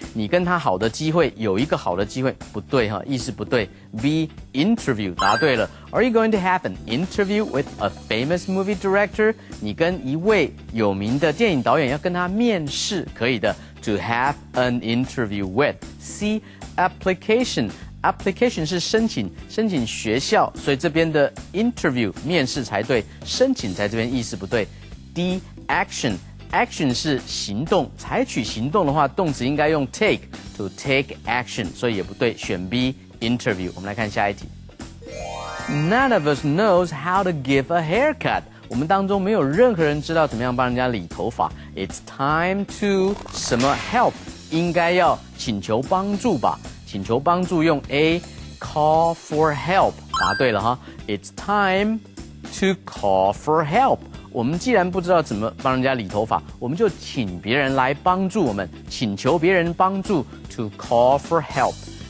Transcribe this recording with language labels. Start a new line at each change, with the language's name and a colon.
Chinese: 你跟他好的机会，有一个好的机会，不对哈，意思不对。
English: B interview
Chinese: 答对了。
English: Are you going to have an interview with a famous movie director?
Chinese: 你跟一位有名的电影导演要跟他面试，可以的。
English: To have an interview with. C, application.
Chinese: Application 是申请，申请学校，所以这边的 interview 面试才对，申请在这边意思不对。
English: D, action. Action
Chinese: 是行动，采取行动的话，动词应该用 take,
English: to take action,
Chinese: 所以也不对，选 B, interview. 我们来看下一题。
English: None of us knows how to give a haircut.
Chinese: 我们当中没有任何人知道怎么样帮人家理头发。
English: It's time to
Chinese: 什么
English: help
Chinese: 应该要请求帮助吧？请求帮助用
English: A call for help
Chinese: 答对了哈。
English: It's time to call for help。
Chinese: 我们既然不知道怎么帮人家理头发，我们就请别人来帮助我们，请求别人帮助
English: to call for help。